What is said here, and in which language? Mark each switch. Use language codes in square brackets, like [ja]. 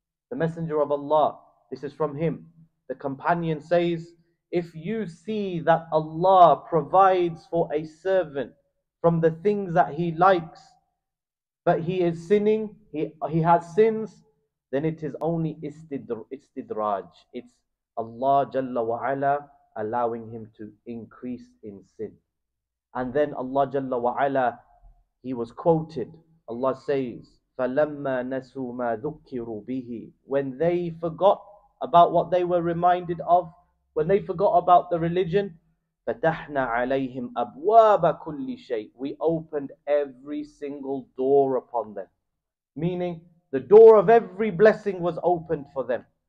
[en] The Messenger of Allah, this is from him. The companion says, if you see that Allah provides for a servant from the things that he likes, but he is sinning, he has sins, then it is only istidraj. It's Allah Jalla wa Ala allowing him to increase in sin. And then Allah Jalla wa Ala, he was quoted. Allah says, [ar] فَلَمَّا نَسُوا مَا ذُكِّرُوا بِهِ. [en] When they forgot about what they were reminded of, when they forgot about the religion, [ar] فَتَحْنَا عَلَيْهِمْ أَبْوَابَ كُلِّ شَيْءٍ. [en] We opened every single door upon them. Meaning, the door of every blessing was opened for them.